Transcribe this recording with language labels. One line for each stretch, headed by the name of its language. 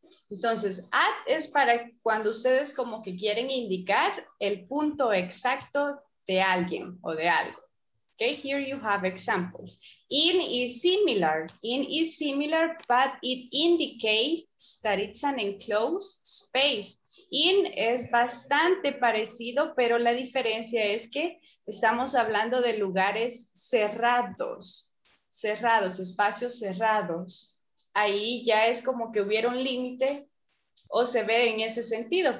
Spanish: Entonces, at es para cuando ustedes como que quieren indicar el punto exacto de alguien o de algo.
English: Okay, here you have examples. In is similar. In is similar, but it indicates that it's an enclosed space.
Spanish: In es bastante parecido, pero la diferencia es que estamos hablando de lugares cerrados. Cerrados, espacios cerrados. Ahí ya es como que hubiera un límite o se ve en ese sentido.